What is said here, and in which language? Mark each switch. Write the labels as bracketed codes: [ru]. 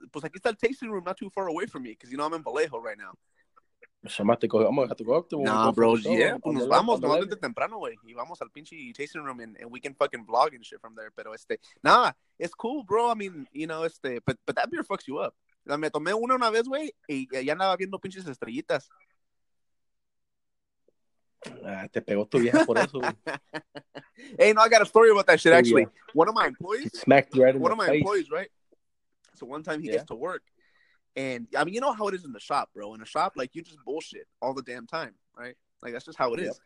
[es] Pues aquí está el [en] tasting room, not too far away from me, because you know I'm in Vallejo right now. So I'm gonna have to go. [es] Nos vamos, nos vamos de temprano, güey. Y vamos al pinche [en] tasting room, and we can fucking vlog and shit from there. Pero it's cool, bro. I mean, you know, but that beer fucks you up. [es] Me tomé una vez, güey, y ya andaba viendo pinches estrellitas. Te pegó tu vieja por eso. [en] Hey, no, I got a story about that shit, actually. Yeah. One of my employees. One of my employees, right? So one time he gets to work. And, I mean, you know how it is in the shop, bro. In a shop, like, you just bullshit all the damn time, right? Like, that's just how it is.